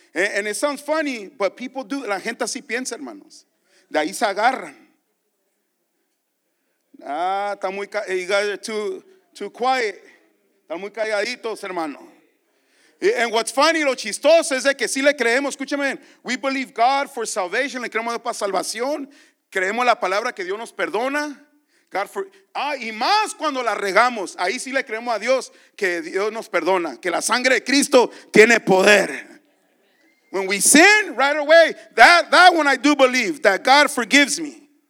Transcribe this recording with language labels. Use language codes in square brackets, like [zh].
[en] And it sounds funny, but people do. [es] La gente así piensa, hermanos. De ahí se agarran. Está muy [en] you guys are too quiet. [es] Están muy calladitos, hermano. [en] And what's funny, [es] lo chistoso es de que sí le creemos. Escúchame, [en] we believe God for salvation. [es] Le creemos para salvación. Creemos la palabra que Dios nos perdona. Y más cuando la regamos. Ahí sí le creemos a Dios que Dios nos perdona. Que la sangre de Cristo tiene poder. [en] When we sin right away, that one I do believe, that God forgives me.